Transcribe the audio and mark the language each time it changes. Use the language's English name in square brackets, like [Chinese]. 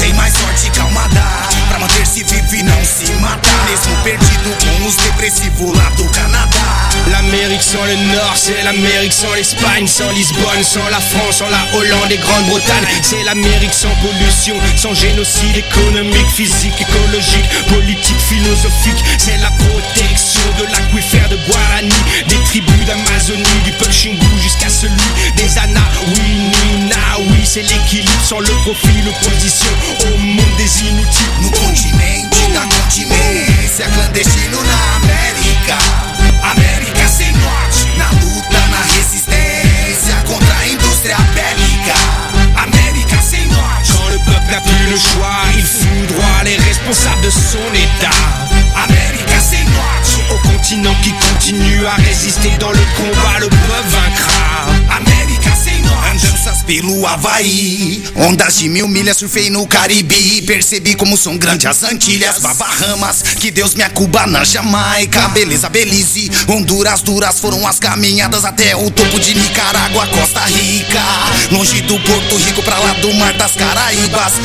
[Portuguese] Tem mais sorte, calma dá, pra manter-se vivo e não se matar. Mesmo perdido com os depressivos lá do Canadá. [French] L'Amérique sans le Nord, c'est l'Amérique sans l'Espagne, sans Lisbonne, sans la France, sans la Hollande et Grande-Bretagne. C'est l'Amérique sans pollution, sans génocide économique, physique, écologique, politique, philosophique. C'est la protection de l'aquifère de Guarani, des tribus d'Amazonie, du peuple Xingu jusqu'à celui des Anahuininaoui. C'est l'équilibre sans le profit, l'opposition au monde des inutiles. [Portuguese] No continente da continência, clandestino na América. América sem norte, na luta, na resistência contra a indústria bélica. América sem norte, [French] quand le peuple a plus le choix, il foudroie les responsables de son état. [Portuguese] América sem norte, [French] au continent qui continue à résister dans le combat, le peuple vaincra. [Portuguese] América sem norte, andanças pelo Havaí, ondas de mil milhas, surfei no Caribe e percebi como são grandes as Antilhas, Bahamas, que Deus me acuba na Jamaica, beleza, Belize, Honduras, duras foram as caminhadas até o topo de Nicarágua, Costa Rica, longe do Porto Rico pra lá do Mar das Caraíbas.